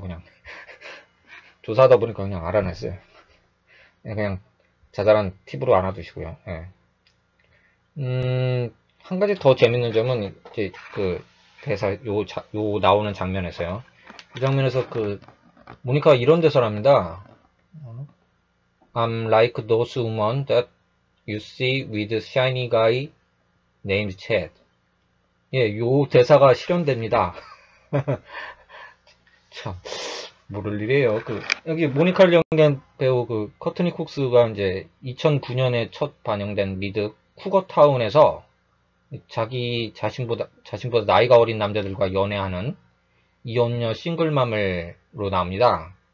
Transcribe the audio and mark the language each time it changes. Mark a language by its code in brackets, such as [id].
[ko] 그냥 조사하다 보니까 그냥 알아냈어요. 그냥 자잘한 팁으로 알아두시고요. 예. 한 가지 더 재밌는 점은 이제 그 대사 요 나오는 장면에서요. 이 장면에서 그 모니카가 이런 대사를 합니다. [en] I'm like those women that you see with shiny guy named Chad. [ko] 예, 요 대사가 실현됩니다. 참, 모를 일이에요. 여기 모니카를 연기한 배우 그 커트니 콕스가 이제 2009년에 첫 반영된 미드 쿠거타운에서 자기 자신보다 나이가 어린 남자들과 연애하는 이혼녀 싱글맘으로 나옵니다.